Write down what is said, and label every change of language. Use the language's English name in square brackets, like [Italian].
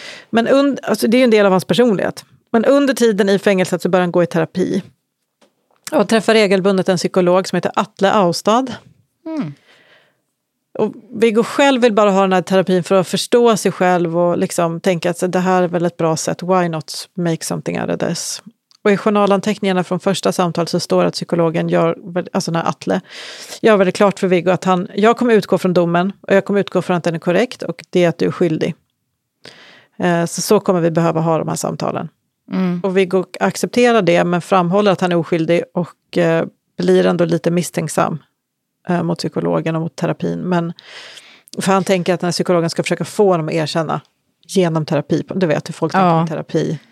[Swedish] Men alltså, det är ju en del av hans personlighet. Men under tiden i fängelset så börjar han gå i terapi. Och träffar regelbundet en psykolog som heter Atle Austad. Mm. Och Viggo själv vill bara ha den här terapin för att förstå sig själv och liksom tänka att det här är väl ett bra sätt. [English] Why not make something out of this? [Swedish] Och i journalanteckningarna från första samtalet så står det att psykologen gör, alltså den här Atle, gör väldigt klart för Viggo att han, jag kommer utgå från domen och jag kommer utgå från att den är korrekt och det är att du är skyldig. Så kommer vi behöva ha de här samtalen. Mm. Och Viggo accepterar det men framhåller att han är oskyldig och blir ändå lite misstänksam mot psykologen och mot terapin, men för han tänker att den här psykologen ska försöka få dem att erkänna genom terapi, du vet hur folk tänker om terapi